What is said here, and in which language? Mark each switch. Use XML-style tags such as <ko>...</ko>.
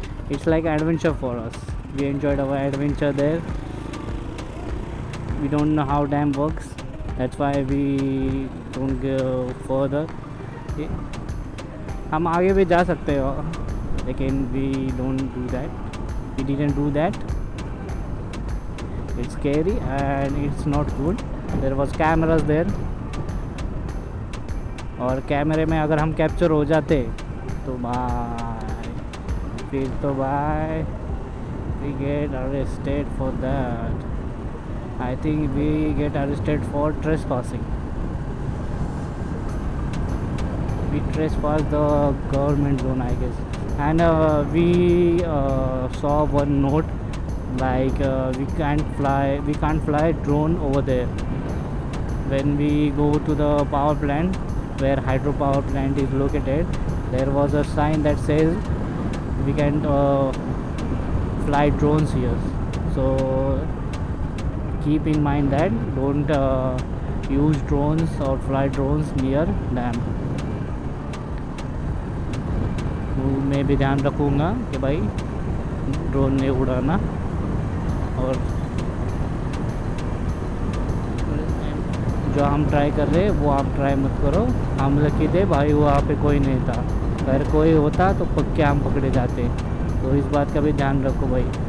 <en>It's like adventure for us, we enjoyed our adventure there. We don't know how dam works, that's why we don't go further.</en> <hi>हम आगे भी जा सकते हो लेकिन</hi> <en>We don't do that, we didn't do that, it's scary and it's not good. There was cameras there</en> <hi>और कैमरे में अगर हम कैप्चर हो जाते तो बाय, फिर तो bye</hi> <en>We get arrested for that. I think we get arrested for trespassing. We trespass the government zone, I guess. And we saw one note like we can't fly drone over there. When we go to the power plant where hydropower plant is located, there was a sign that says we can't fly drones here. So keep in mind that don't use drones or fly drones near dam.</en> <hi>मैं भी ध्यान रखूँगा कि भाई drone नहीं उड़ाना। और जो हम ट्राई कर रहे हैं वो आप ट्राई मत करो, हम लकी थे भाई वहाँ पे कोई नहीं था, अगर कोई होता तो पक्के हम पकड़े जाते, तो इस बात का भी ध्यान रखो भाई।</hi>